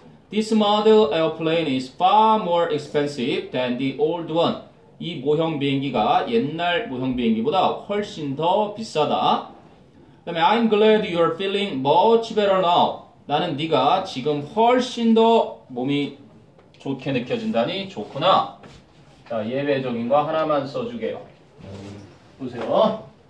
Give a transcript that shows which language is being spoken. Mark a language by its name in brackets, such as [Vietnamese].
[English] This model airplane is far more expensive than the old one. [Korean] 이 모형 비행기가 옛날 모형 비행기보다 훨씬 더 비싸다. 그다음에 [English] I'm glad you're feeling much better now. [Korean] 나는 네가 지금 훨씬 더 몸이 좋게 느껴진다니 좋구나. 자, 예외적인 거 하나만 써주게요. 보세요.